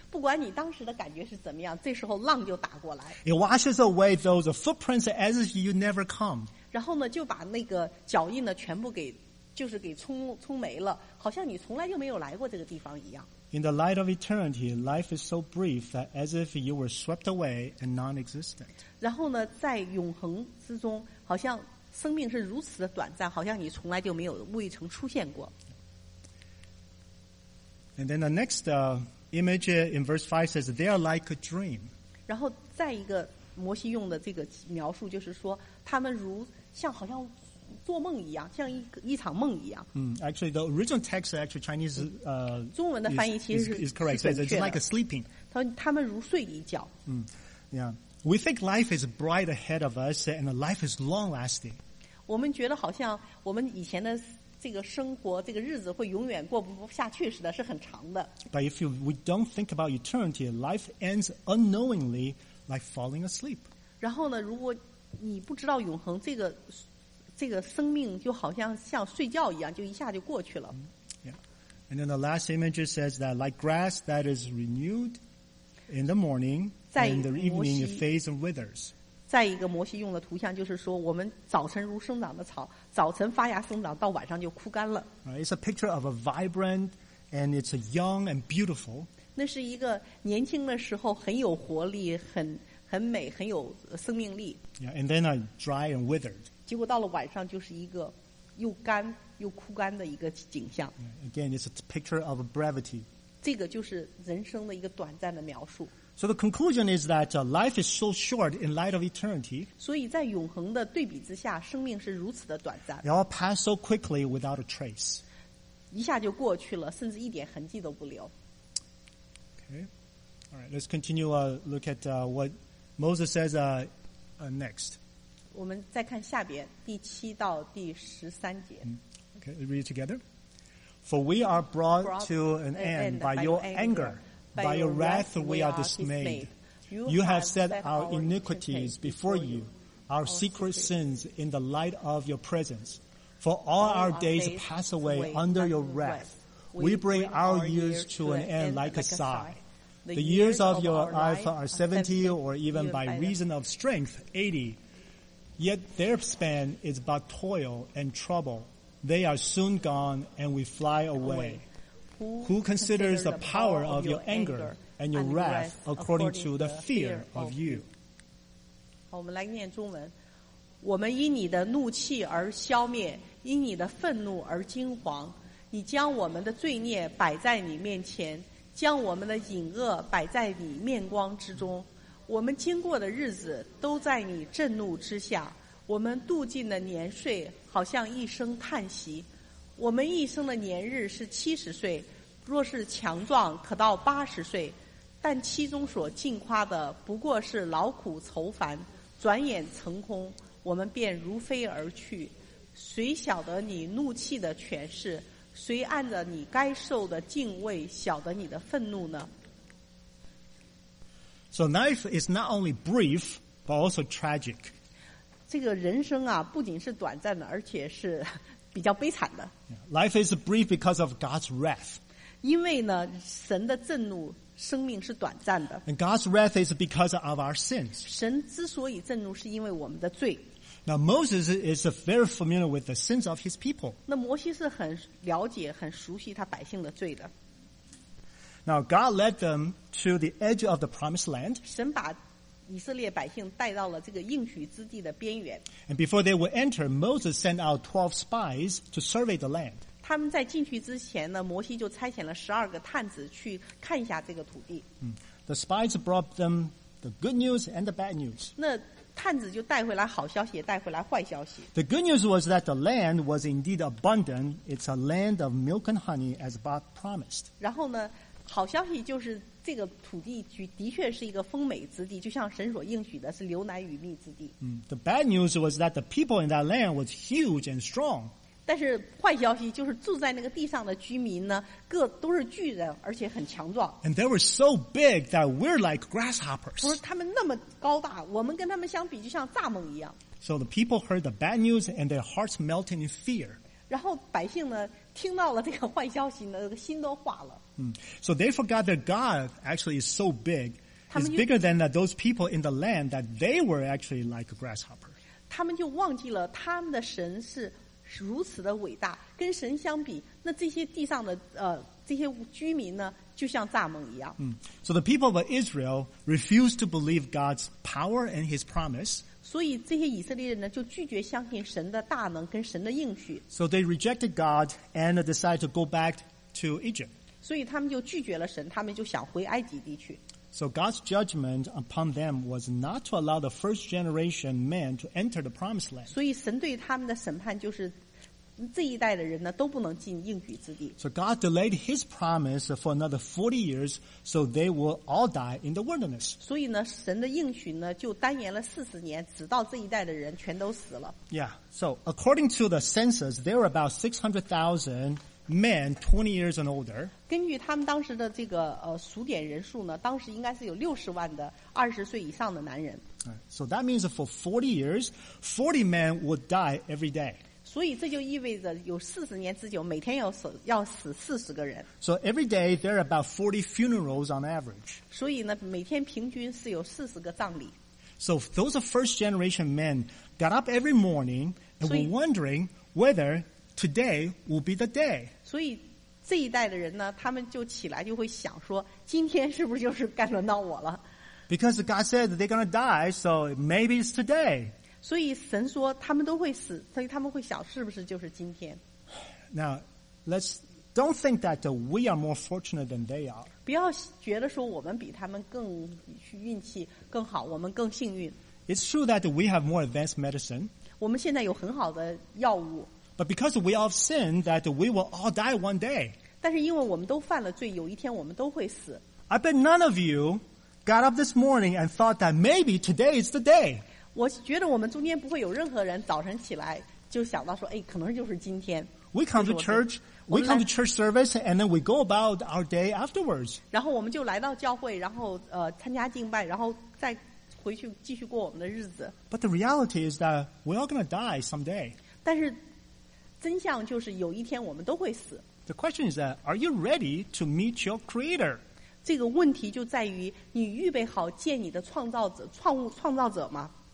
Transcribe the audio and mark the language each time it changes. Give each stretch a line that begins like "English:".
Chinese: 不管你当时的感觉是怎么样，这时候浪就打过来。
English: It washes away those footprints as if you never come.
Chinese: 然后呢，就把那个脚印呢全部给。就是给冲没了，好像你从来就没有来过这个地方一样。
English: In the light of eternity, life is so brief that as if you were swept away and non-existent.
Chinese: 然后呢，在永恒之中，好像生命是如此的短暂，好像你从来就没有未曾出现过。
English: And then the next image in verse 5 says they are like a dream.
Chinese: 然后再一个摩西用的这个描述就是说，他们如像好像。做梦一样，像一场梦一样。
English: Actually, the original text actually Chinese
Chinese: 中文的翻译其实
English: is correct. It's like a sleeping.
Chinese: 他说他们如睡一觉。
English: Yeah, we think life is bright ahead of us, and life is long lasting.
Chinese: 我们觉得好像我们以前的这个生活，这个日子会永远过不下去似的，是很长的。
English: But if we don't think about eternity, life ends unknowingly, like falling asleep.
Chinese: 然后呢，如果你不知道永恒这个生命就好像睡觉一样，就一下就过去了。
English: Yeah. And then the last image says that like grass that is renewed in the morning, in the evening it fades and withers.
Chinese: 再一个摩西用的图像就是说，我们早晨如生长的草，早晨发芽生长，到晚上就枯干了。
English: It's a picture of a vibrant and it's a young and beautiful. 那是一个年轻的时候很有活力，很美，很有生命力。 Yeah. And then a dry and withered.
Chinese: 结果到了晚上，就是一个又干又枯干的一个景象。
English: Again, it's a picture of brevity.
Chinese: 这个就是人生的一个短暂的描述。
English: So the conclusion is that life is so short in light of eternity.
Chinese: 所以在永恒的对比之下，生命是如此的短暂。
English: It all passed so quickly without a trace.
Chinese: 一下就过去了，甚至一点痕迹都不留。
English: Okay, all right. Let's continue. Look at what Moses says next.
Chinese: 我们再看下边第七到第十三节。
English: Okay, read it together. For we are brought to an end by your anger, by your wrath we are dismayed. You have set our iniquities before you, our secret sins in the light of your presence. For all our days pass away under your wrath. We bring our years to an end like a sigh. The years of your life are 70 or even by reason of strength, 80. Yet their span is but toil and trouble. They are soon gone, and we fly away. Who considers the power of your anger and your wrath according to the fear of you?
Chinese: 好，我们来念中文。我们因你的怒气而消灭，因你的愤怒而惊惶。你将我们的罪孽摆在你面前，将我们的隐恶摆在你面光之中。我们经过的日子都在你震怒之下，我们度尽的年岁好像一声叹息。我们一生的年日是70岁，若是强壮可到80岁，但其中所尽夸的不过是劳苦愁烦，转眼成空，我们便如飞而去。谁晓得你怒气的权势？谁按着你该受的敬畏晓得你的愤怒呢？
English: So life is not only brief, but also tragic.
Chinese: 这个人生啊，不仅是短暂的，而且是比较悲惨的。
English: Life is brief because of God's wrath.
Chinese: 因为呢，神的震怒生命是短暂的。
English: And God's wrath is because of our sins.
Chinese: 神之所以震怒是因为我们的罪。
English: Now Moses is very familiar with the sins of his people.
Chinese: 那摩西是很了解、很熟悉他百姓的罪的。
English: Now God led them to the edge of the promised land.
Chinese: 神把以色列百姓带到了这个应许之地的边缘。
English: And before they would enter, Moses sent out 12 spies to survey the land.
Chinese: 他们在进去之前呢，摩西就差遣了十二个探子去看一下这个土地。
English: The spies brought them the good news and the bad news.
Chinese: 那探子就带回来好消息，也带回来坏消息。
English: The good news was that the land was indeed abundant. It's a land of milk and honey, as God promised.
Chinese: 然后呢，好消息就是这个土地的确是一个丰美之地，就像神所应许的，是牛奶与蜜之地。
English: The bad news was that the people in that land was huge and strong.
Chinese: 但是坏消息就是住在那个地上的居民呢，各都是巨人，而且很强壮。
English: And they were so big that we're like grasshoppers.
Chinese: 说他们那么高大，我们跟他们相比就像蚱蜢一样。
English: So the people heard the bad news and their hearts melted in fear.
Chinese: 然后百姓呢，听到了这个坏消息呢，心都化了。
English: So they forgot that God actually is so big, is bigger than those people in the land, that they were actually like a grasshopper.
Chinese: 他们就忘记了他们的神是如此的伟大，跟神相比，那这些地上的这些居民呢，就像蚱蜢一样。
English: So the people of Israel refused to believe God's power and His promise.
Chinese: 所以这些以色列人呢，就拒绝相信神的大能跟神的应许。
English: So they rejected God and decided to go back to Egypt.
Chinese: 所以他们就拒绝了神，他们就想回埃及地去。
English: So God's judgment upon them was not to allow the first generation men to enter the promised land.
Chinese: 所以神对他们的审判就是这一代的人呢都不能进应许之地。
English: So God delayed His promise for another 40 years, so they will all die in the wilderness.
Chinese: 所以呢，神的应许呢就单延了四十年，直到这一代的人全都死了。
English: Yeah. So according to the census, there were about 600,000 men 20 years and older.
Chinese: 根据他们当时的这个数点人数呢，当时应该是有600,000的20岁以上的男人。
English: So that means for 40 years, 40 men would die every day.
Chinese: 所以这就意味着有40年之久，每天要死40个人。
English: So every day there are about 40 funerals on average.
Chinese: 所以呢，每天平均是有40个葬礼。
English: So those first generation men got up every morning and were wondering whether today will be the day.
Chinese: 所以这一代的人呢，他们就起来就会想说，今天是不是就是该轮到我了。
English: Because God said they're going to die, so maybe it's today.
Chinese: 所以神说他们都会死，所以他们会想是不是就是今天。
English: Now let's don't think that we are more fortunate than they are.
Chinese: 不要觉得说我们比他们更运气更好，我们更幸运。
English: It's true that we have more advanced medicine.
Chinese: 我们现在有很好的药物。
English: But because we all sin, that we will all die one day.
Chinese: 但是因为我们都犯了罪，有一天我们都会死。
English: I bet none of you got up this morning and thought that maybe today is the day.
Chinese: 我觉得我们中间不会有任何人早晨起来就想到说，哎，可能就是今天。
English: We come to church, we come to church service, and then we go about our day afterwards.
Chinese: 然后我们就来到教会，然后参加敬拜，然后再回去继续过我们的日子。
English: But the reality is that we're all going to die someday.
Chinese: 但是真相就是有一天我们都会死。
English: The question is that, are you ready to meet your creator?
Chinese: 这个问题就在于你预备好见你的创造者、创造者吗？